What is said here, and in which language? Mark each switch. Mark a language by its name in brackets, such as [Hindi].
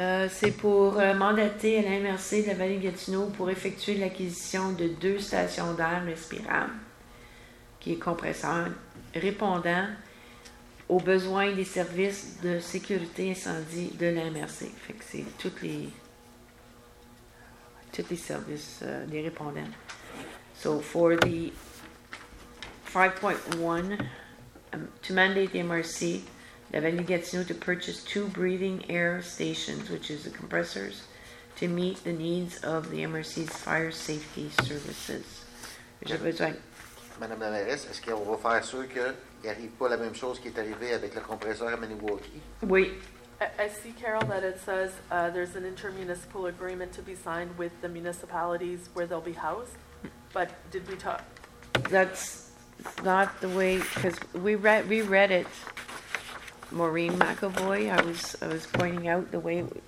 [French] C'est pour mandater à la MRC de la Vallée-Gatineau pour effectuer l'acquisition de 2 stations d'air respirable, qui est compresseur, répondant aux besoins des services de sécurité incendie de la MRC. Fait que c'est tous les services des répondants. [English] So, for the 5.1, to mandate the MRC, La Vallée-Gatineau, to purchase 2 breathing air stations, which is the compressors, to meet the needs of the MRC's fire safety services. [French] J'ai besoin. Madame la mairesse, est-ce qu'on va faire sûr qu'il n'arrive pas la même chose qui est arrivée avec le compresseur à Maniwaki? Oui. [English] I see, Carol, that it says there's an intermunicipal agreement to be signed with the municipalities where they'll be housed, but did we talk? That's not the way, because we read it. Maureen McAvoy, I was pointing out the way.